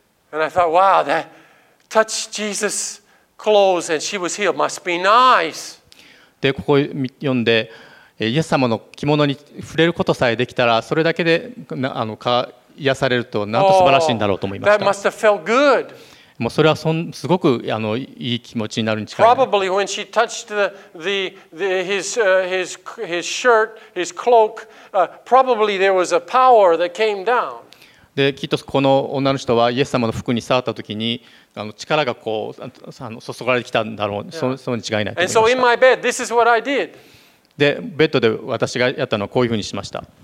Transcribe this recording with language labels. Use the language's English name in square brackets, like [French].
[English] And I thought, wow, that touch Jesus. Clothes and she was healed. Must be nice. [Japanese] でここ読んでイエス様の着物に触れることさえできたらそれだけで癒されるとなんと素晴らしいんだろうと思いました。 [English] That must have felt good. [Japanese] もうそれはすごくいい気持ちになるに近い。 [English] Probably when she touched his shirt, his cloak, probably there was a power that came down. [Japanese] できっとこの女の人はイエス様の服に触った時に力がこう注がれてきたんだろう、yeah. そうに違いないと思いました。 [English] so bed, [Japanese] でベッドで私がやったのはこういうふうにしました。